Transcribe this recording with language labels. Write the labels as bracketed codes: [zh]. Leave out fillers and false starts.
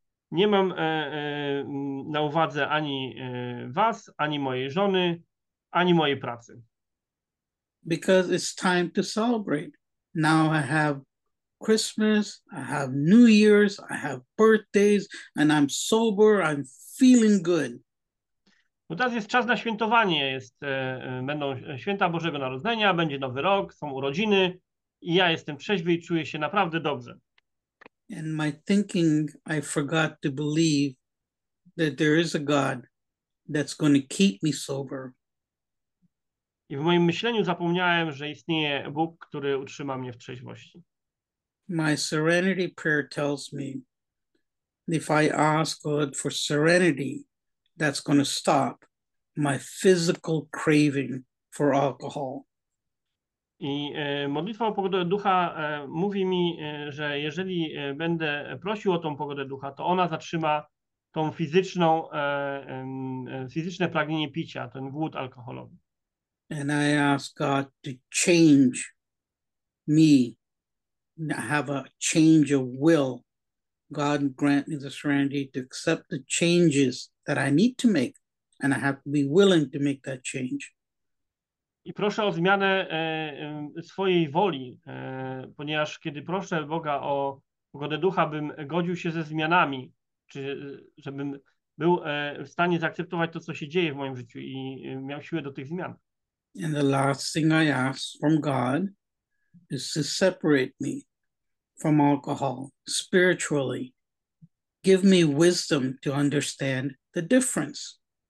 [pl] Nie mam na uwadze ani was, ani mojej żony, ani mojej pracy. [en] Because it's time to celebrate. Now I have Christmas, I have New Year's, I have birthdays, and I'm sober, I'm feeling good. [pl] Bo teraz jest czas na świętowanie, będą święta Bożego Narodzenia, będzie Nowy Rok, są urodziny i ja jestem trzeźwy i czuję się naprawdę dobrze. [en] And my thinking, I forgot to believe that there is a God that's going to keep me sober. [pl] I w moim myśleniu zapomniałem, że istnieje Bóg, który utrzyma mnie w trzeźwości. [en] My serenity prayer tells me if I ask God for serenity, that's going to stop my physical craving for alcohol. [pl] I modlitwa o pogodę ducha mówi mi, że jeżeli będę prosił o tą pogodę ducha, to ona zatrzyma tą fizyczną, fizyczne pragnienie picia, ten głód alkoholowy. [en] And I ask God to change me, have a change of will. God grant me the serenity to accept the changes that I need to make, and I have to be willing to make that change. [pl] I proszę o zmianę swojej woli, ponieważ kiedy proszę Boga o pogodę ducha, bym godził się ze zmianami, czy żebym był w stanie zaakceptować to, co się dzieje w moim życiu i miał siłę do tych zmian. [en] And the last thing I ask from God is to separate me from alcohol spiritually. Give me wisdom to understand the difference.